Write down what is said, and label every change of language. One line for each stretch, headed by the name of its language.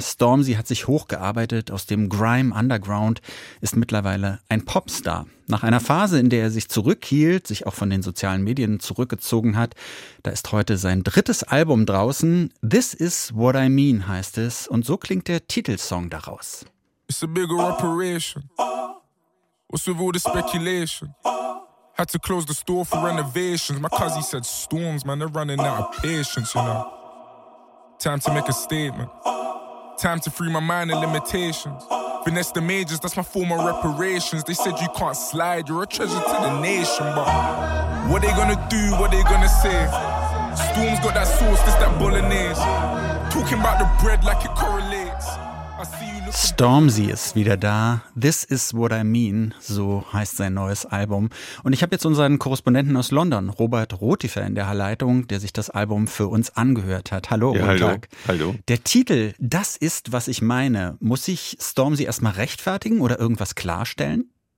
German: Stormzy hat sich hochgearbeitet aus dem Grime Underground, ist mittlerweile ein Popstar. Nach einer Phase, in der er sich zurückhielt, sich auch von den sozialen Medien zurückgezogen hat, da ist heute sein drittes Album draußen. This is what I mean heißt es und so klingt der Titelsong daraus.
English: It's a bigger operation. What's with all the speculation? Had to close the store for renovations. My cousin said storms, man, they're running out of patience, you know. Time to make a statement. Time to free my mind of limitations. Finesse the majors, that's my form of reparations. They said you can't slide, you're a treasure to the nation. But what they gonna do, what they gonna say? Storm's got that sauce, this that bolognese. Talking about the bread like it correlates.
German: Stormzy ist wieder da. This is what I mean, so heißt sein neues Album. Und ich habe jetzt unseren Korrespondenten aus London, Robert Rothiefer, in der Leitung, der sich das Album für uns angehört hat. Hallo, ja, guten hallo. Tag. Hallo. Der Titel, das ist, was ich meine. Muss ich Stormzy erstmal rechtfertigen oder irgendwas klarstellen?